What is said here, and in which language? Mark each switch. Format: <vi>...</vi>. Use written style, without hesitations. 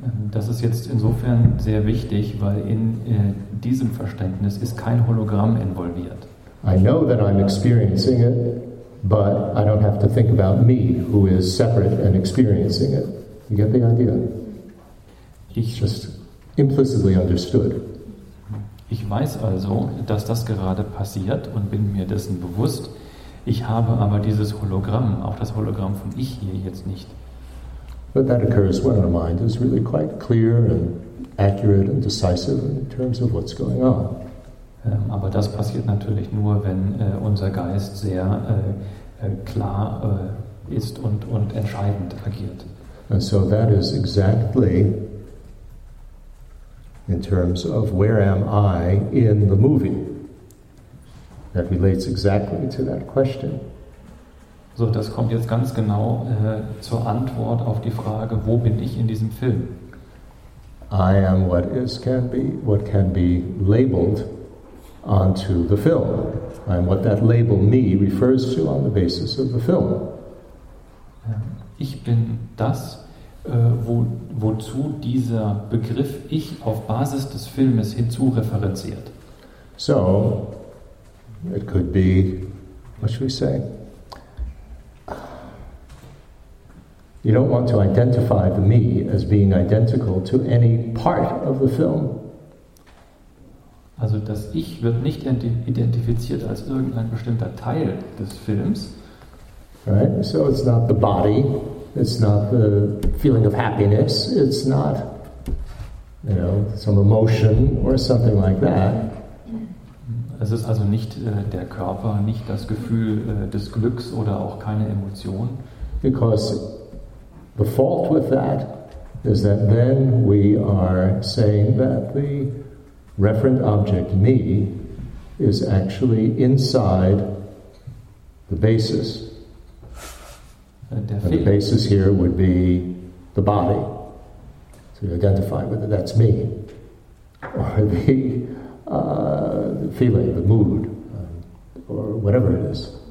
<de>Das ist jetzt insofern sehr wichtig, weil in diesem Verständnis ist kein Hologramm involviert.</de> <en>I know that I'm experiencing it, but I don't have to think about me, who is separate and experiencing it. You get the idea?</en> <de>Ich</de> <en>just implicitly understood.</en> <de>Ich weiß also, dass das gerade passiert und bin mir dessen bewusst. Ich habe aber dieses Hologramm, auch das Hologramm von ich hier jetzt nicht.</de> <en>But that occurs when our mind is really quite clear and accurate and decisive in terms of what's going on.</en> <de>Aber das passiert natürlich nur, wenn unser Geist sehr klar ist und entscheidend agiert.</de> <en>And so that is exactly in terms of where am I in the movie. That relates exactly to that question.</en> <de>So, das kommt jetzt ganz genau zur Antwort auf die Frage, wo bin ich in diesem Film?</de> <en>I am what is can be labeled onto the film. I am what that label me refers to on the basis of the film.</en> <de>Ich bin das, wozu dieser Begriff ich auf Basis des Filmes hinzureferenziert.</de> <en>So, it could be, what should we say? You don't want to identify the me as being identical to any part of the film.</en> <de>Also das Ich wird nicht identifiziert als irgendein bestimmter Teil des Films.</de> <en>Right, so it's not the body, it's not the feeling of happiness, it's not, you know, some emotion or something like that.</en> <de>Es ist also nicht der Körper, nicht das Gefühl des Glücks oder auch keine Emotion.</de> <en>Because the fault with that is that then we are saying that the referent object, me, is actually inside the basis. And the basis here would be the body. So you identify whether that's me or the feeling, the mood, or whatever it is.</en>